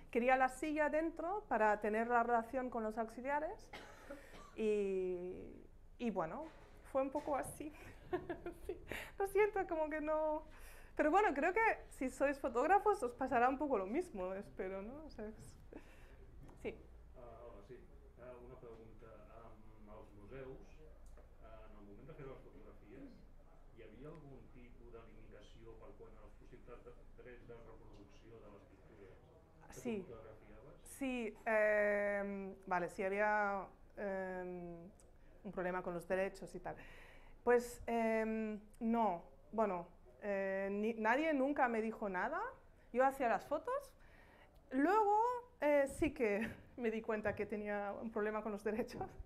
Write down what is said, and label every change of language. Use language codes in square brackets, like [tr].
[es] Quería la silla dentro para tener la relación con los auxiliares y bueno... Fue un poco así. Sí, lo siento, como que no... Pero bueno, creo que si sois fotógrafos os pasará un poco lo mismo, espero, ¿no? O sea, es... Sí. Hola, sí. Una pregunta. [ca] Als museus, en el moment de fer les fotografies, hi havia algun tipus de limitació per quan els possibles drets de reproducció de les pintures? Sí. Fotografiaves? Sí. Vale, sí, havia... [es] un problema con los derechos y tal. Pues no, bueno, nadie nunca me dijo nada, yo hacía las fotos, luego sí que me di cuenta que tenía un problema con los derechos.